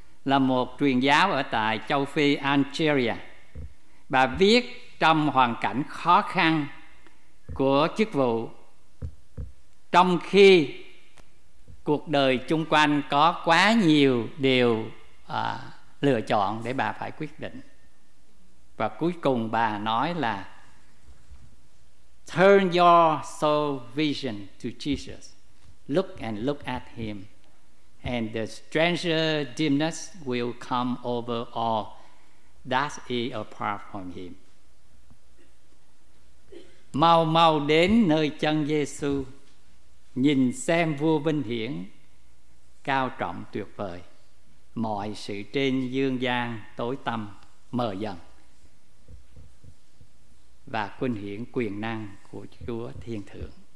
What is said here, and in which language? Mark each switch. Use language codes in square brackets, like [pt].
[vi] là một truyền giáo ở tại châu Phi, Algeria. Bà viết trong hoàn cảnh khó khăn của chức vụ, trong khi cuộc đời chung quanh có quá nhiều điều lựa chọn để bà phải quyết định. Và cuối cùng bà nói là [en] "Turn your soul vision to Jesus. Look and look at him, and the stranger dimness will come over all that is apart from him." [vi] Mau mau đến nơi chân Giê-xu, nhìn xem vua vinh hiển, cao trọng tuyệt vời. Mọi sự trên dương gian tối tăm mờ dần, và vinh hiển quyền năng của Chúa Thiên Thượng.